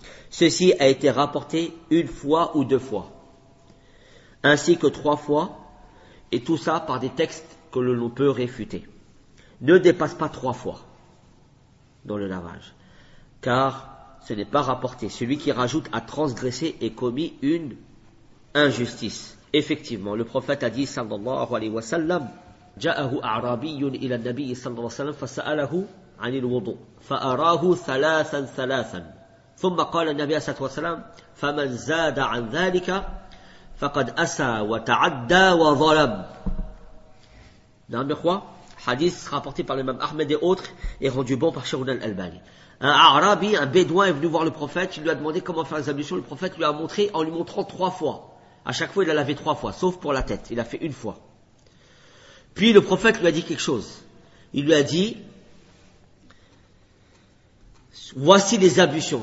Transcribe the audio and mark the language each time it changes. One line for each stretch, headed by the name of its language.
French: Ceci a été rapporté une fois ou deux fois. Ainsi que trois fois. Et tout ça par des textes que l'on peut réfuter. Ne dépasse pas trois fois dans le lavage. Car ce n'est pas rapporté. Celui qui rajoute a transgressé et commis une injustice. Effectivement, le prophète a dit
Arabic: sallallahu alayhi wa sallam, جاءه أعرابي إلى النبي صلى الله عليه وسلم فسأله عن الوضوء فأراه ثلاثا ثلاثا ثم قال النبي صلى الله عليه وسلم فمن زاد عن ذلك فقد أسى وتعدى وظلم. نعم يا إخوة.
French: حديث rapporté par l'imam Ahmed et autres et rendu bon par Cheikh Al-Albani. Un Arabi, un bédouin est venu voir le prophète, il lui a demandé comment faire les ablutions. Le prophète lui a montré en lui montrant trois fois. À chaque fois il a lavé trois fois sauf pour la tête, il a fait une fois. Puis le prophète lui a dit quelque chose. Il lui a dit, voici les ablutions.